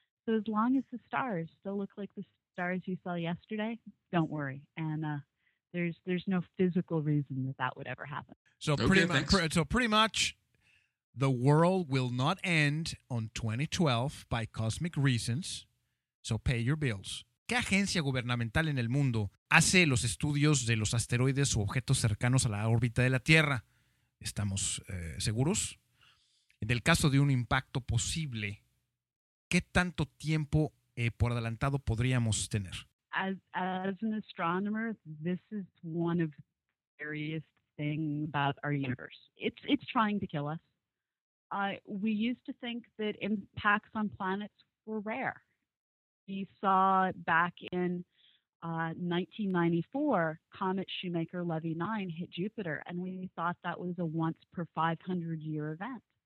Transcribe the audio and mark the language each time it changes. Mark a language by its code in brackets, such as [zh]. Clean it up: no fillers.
[en] So as long as the stars still look like the stars you saw yesterday, don't worry. And there's no physical reason that would ever happen. So pretty much, the world will not end on 2012 by cosmic reasons, so pay your bills. [es] ¿Qué agencia gubernamental en el mundo hace los estudios de los asteroides u objetos cercanos a la órbita de la Tierra? ¿Estamos seguros? En el caso de un impacto posible, ¿qué tanto tiempo por adelantado podríamos tener? [en] As an astronomer, this is one of the scariest things about our universe. It's trying to kill us. We used to think that impacts on planets were rare. We saw back in 1994, Comet Shoemaker-Levy 9 hit Jupiter, and we thought that was a once-per-500-year event.